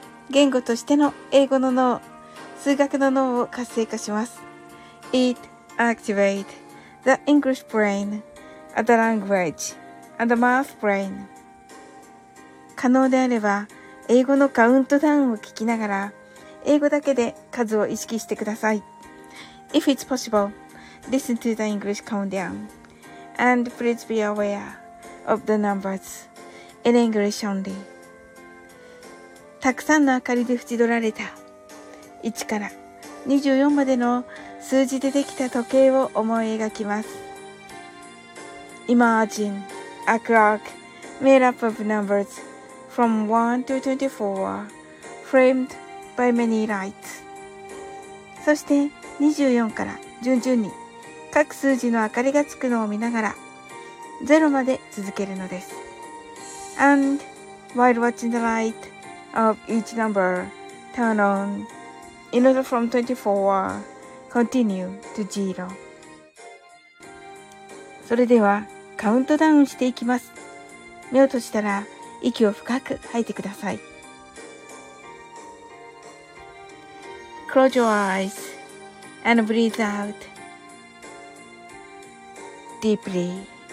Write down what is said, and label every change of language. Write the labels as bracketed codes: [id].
[ja] 言語としての英語の脳、数学の脳を活性化します。 [en] It activates the English brain, the language, and the math brain. [ja] 可能であれば、英語のカウントダウンを聞きながら、英語だけで数を意識してください。 [en] If it's possible, listen to the English countdown. And please be aware. Of the numbers in English only. [ja] たくさんの明かりで縁取られた1から24までの数字でできた時計を思い描きます。 [en] Imagine a clock made up of numbers from 1 to 24 framed by many lights. [ja] そして24から順々に各数字の明かりがつくのを見ながらゼロまで続けるのです。 [en] And while watching the light of each number turn on, in order from 24, continue to zero. [ja] それではカウントダウンしていきます。目を閉じたら息を深く吐いてください。 [en] Close your eyes and breathe out deeply.